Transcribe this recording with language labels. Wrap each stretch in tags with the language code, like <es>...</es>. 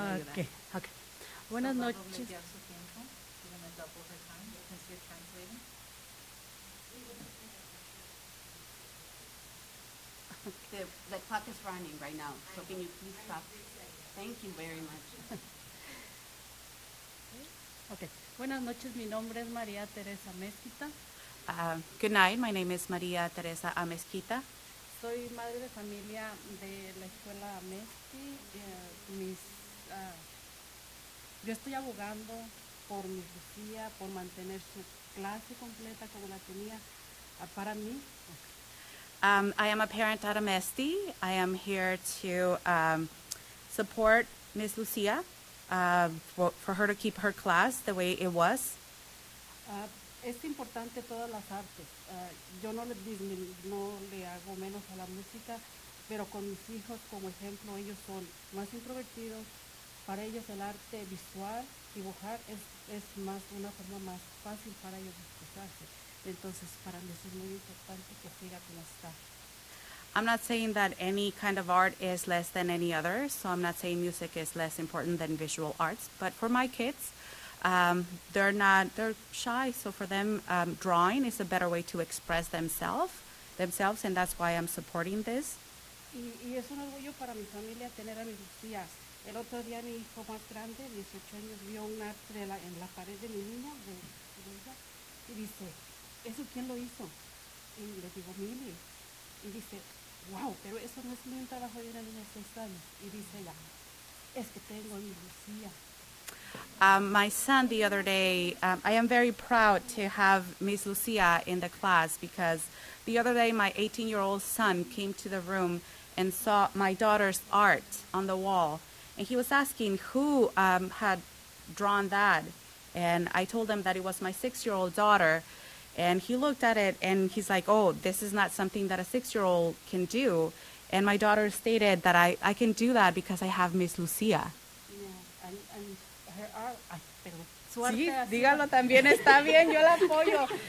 <en>Okay.</en> <es>Buenas noches.</es> <en>The clock is running right now, so can you please stop? Thank you very much. Okay.</en> <es>Buenas noches, mi nombre es María Teresa Mezquita.</es> <en>Good night. My name is María Teresa Amezquita.</en> <es>Soy madre de familia de la escuela Amezqui. Yo estoy abogando por mi Lucía, por mantener su clase completa como la tenía para mí.</es> <en>I am a parent at Amezqui. I am here to support Miss Lucía for her to keep her class the way it was.</en> <es>Es importante todas las artes. Yo no le hago menos a la música, pero con mis hijos como ejemplo, ellos son más introvertidos. Para ellos el arte visual, dibujar, es más una forma más fácil para ellos expresarse. Entonces, para mí es muy importante que siga como está.</es> <en>I'm not saying that any kind of art is less than any other, so I'm not saying music is less important than visual arts, but for my kids, they're shy, so for them, drawing is a better way to express themselves, and that's why I'm supporting this.</en> <es>Y es un orgullo para mi familia tener a mi Lucía. El otro día mi hijo más grande, 18 años, vio un arte en la pared de mi niña, de ella, y dice, ¿eso quién lo hizo? Y le digo, Mili. Y dice, wow, pero eso no es un trabajo de una niña de 6 años. Y dice ella, es que tengo a mi Lucía.</es> <en>My son the other day, I am very proud to have Miss Lucia in the class because the other day my 18-year-old son came to the room and saw my daughter's art on the wall. And he was asking who had drawn that. And I told him that it was my 6-year-old daughter. And he looked at it and he's like, oh, this is not something that a 6-year-old can do. And my daughter stated that I can do that because I have Miss Lucia. Yeah, and her art.</en> <es>Sí, dígalo también, está bien, yo la apoyo.</es>